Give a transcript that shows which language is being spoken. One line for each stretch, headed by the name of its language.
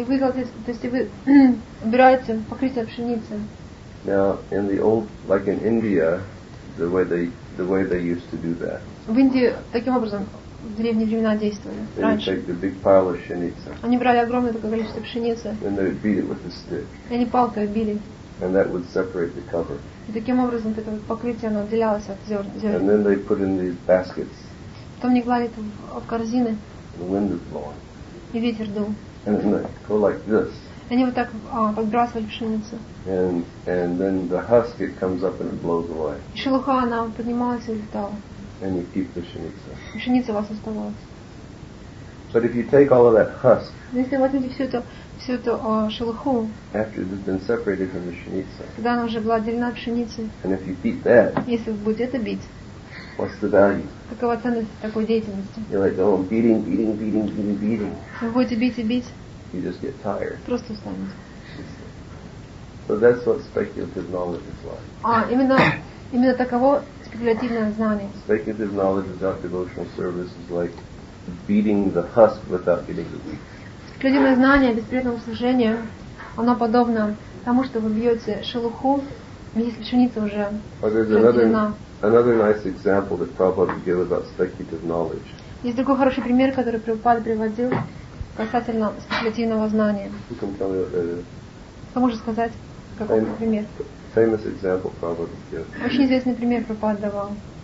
Russian: И вы кладете, то есть вы убираете покрытие пшеницы.
English: Now in the old, like in India, the way they used to do that.
Russian: В Индии таким образом в древние времена действовали.
English: They would take the big pile of pshenitsa.
Russian: Они брали огромное такое количество пшеницы.
English: And they would beat it with a stick.
Russian: И они палкой били.
English: And that would separate the cover.
Russian: И таким образом это покрытие оно отделялось от зерен.
English: And then they put in these baskets.
Russian: Потом они клали это в корзины.
English: The wind would blow.
Russian: И ветер дул.
English: And then they go like this.
Russian: Они вот так подбрасывали пшеницу.
English: And then the husk it comes up and it blows away.
Russian: И шелуха она поднималась и летала.
English: And you keep the pshenitsa.
Russian: И пшеница у вас оставалась.
English: But if you take all of that husk.
Russian: Если вы возьмете всю эту шелуху.
English: After it has been separated from the pshenitsa.
Russian: Когда она уже была отделена от пшеницы.
English: And if you beat that.
Russian: Если вы будете это бить.
English: What's the value?
Russian: Какова ценность такой деятельности?
English: You're like, oh, beating.
Russian: Вы будете бить и бить.
English: You just get tired.
Russian: Просто устанете.
English: So that's what speculative knowledge is like.
Russian: Именно таково спекулятивное знание.
English: Speculative knowledge without devotional service is like beating the husk without getting the wheat.
Russian: Спекулятивное знание без преданного служения, оно подобно тому, что вы бьете шелуху, если пшеница уже разделена.
English: Another nice example that Prabhupada gave about speculative knowledge.
Russian: Есть другой хороший пример, который Прабхупада приводил касательно спекулятивного знания.
English: You can tell me what that is.
Russian: Кто может сказать, какой пример?
English: Famous example, probably, yes.
Russian: Очень известный пример Прабхупада давал.